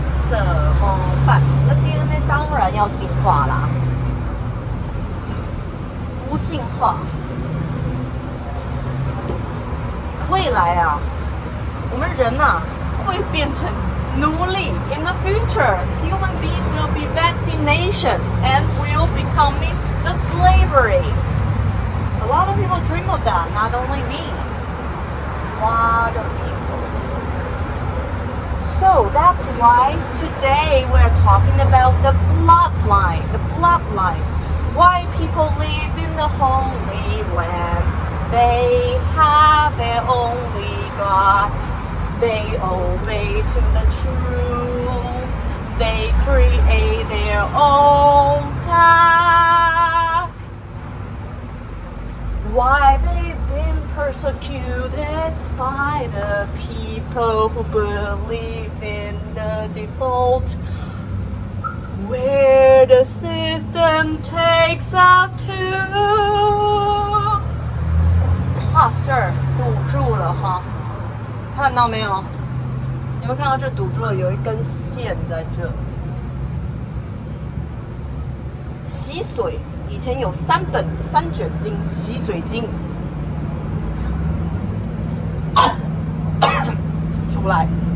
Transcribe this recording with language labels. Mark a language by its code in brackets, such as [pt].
[zh] 怎么办？那 DNA 当然要进化啦，不进化，未来啊，我们人啊会变成奴隶。 [en] In the future, human being will be vaccination and will become the slavery. A lot of people dream of that, not only me. What? So that's why today we're talking about the bloodline. The bloodline. Why people live in the holy land. They have their only God. They obey to the truth. They create their own path. Why they've been persecuted by the people who believeDefault where the system takes us to. [zh] 哈，这儿堵住了哈，看到没有？有没有看到这堵住了？有一根线在这。洗髓，以前有三本三卷经，洗髓经出来。